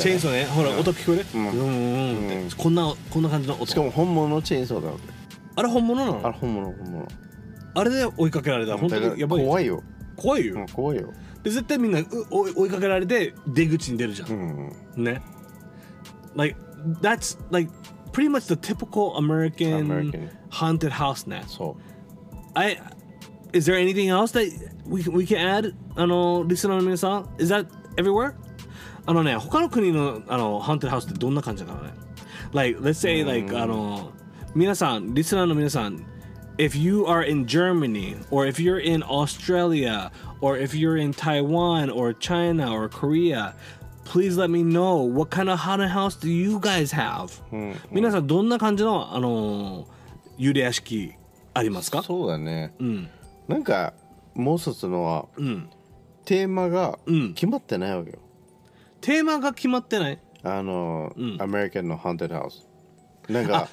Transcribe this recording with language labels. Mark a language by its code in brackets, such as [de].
[ja] チェーンソーね。ほら、音聞こえる？うんうんうん。こんな感じの音。しかも本物のチェーンソーだよ。あれ本物なの？あれ本物本物。あれで追いかけられた。本当にやばい。怖いよ。怖いよ。怖いよ。で絶対みんな追いかけられて出口に出るじゃん。うん、ね。 [en] Like that's like pretty much the typical American haunted house ね。 [ja] そう。 [en] Is there anything else that we can add? [ja] あの、リスナーの皆さん、 [en] is that everywhere? [ja] あのね、他の国のあの、ハンテッドハウスってどんな感じかな？ [en] Like, let's say, like, [ja] あの、皆さん、リスナーの皆さん、 [en] if you are in Germany, or if you're in Australia, or if you're in Taiwan, or China, or Korea, please let me know what kind of haunted house do you guys have? [ja] 皆さん、どんな感じのあの、幽霊屋敷ありますか？そうだね。うん。なんかもう一つのは、うん、テーマが決まってないわけよ、うん、テーマが決まってない、あの、うん、アメリカンのハンテッドハウス、なんか